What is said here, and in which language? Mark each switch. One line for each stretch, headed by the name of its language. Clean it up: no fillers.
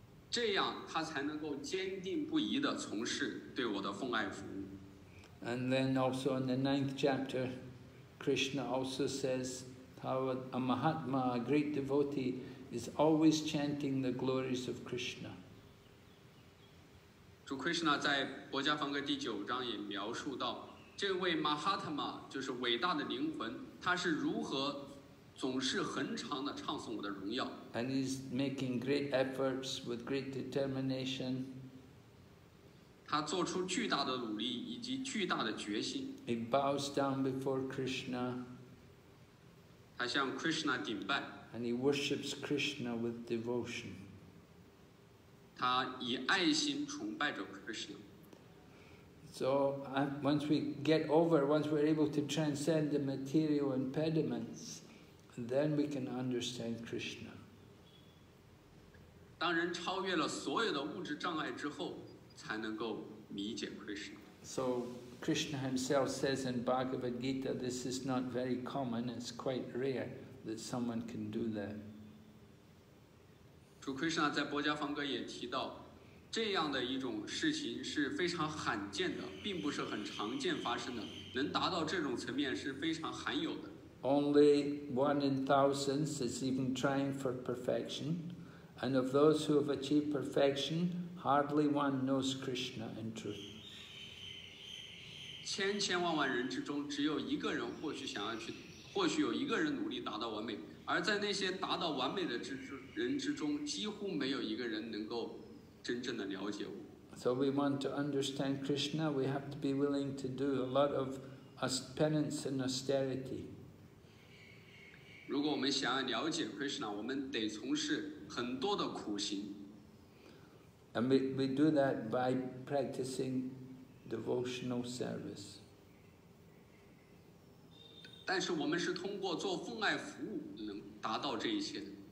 Chinese: 这样他才能够坚定不移地从事对我的奉爱服务。
English: And then also in the ninth chapter, Krishna also says, a Mahatma, a great devotee, is always chanting the glories of Krishna.
Chinese: 主 Krishna 在薄伽梵歌第九章也描述到，这位 Mahatma 就是伟大的灵魂，他是如何总是恒常地唱颂我的荣耀。
English: And he's making great efforts with great determination.
Chinese: 他做出巨大的努力以及巨大的决心。
English: He bows down before Krishna.
Chinese: 他向 Krishna 顶拜。
English: And he worships Krishna with devotion.
Chinese: 他以爱心崇拜着 Krishna.
English: So once we get over, once we're able to transcend the material impediments, then we can understand Krishna.
Chinese: 当人超越了所有的物质障碍之后。才能够理解 Krishna.
English: So Krishna himself says in Bhagavad Gita, this is not very common, it's quite rare that someone can do that.
Chinese: 主 Krishna 在薄伽梵歌也提到，这样的一种事情是非常罕见的，并不是很常见发生的，能达到这种层面是非常罕有的。
English: Only one in thousands is even trying for perfection, and of those who have achieved perfection,Hardly one knows Krishna in truth.
Chinese: 千千万万人之中，只有一个人或许想要去，或许有一个人努力达到完美。而在那些达到完美的人之中，几乎没有一个人能够真正的了解我。
English: So we want to understand Krishna, we have to be willing to do a lot of penance and austerity.
Chinese: 如果我们想要了解 Krishna, 我们得从事很多的苦行。
English: And we do that by practicing devotional service.
Chinese: 但是我们是通过做奉爱服务能达到这一切。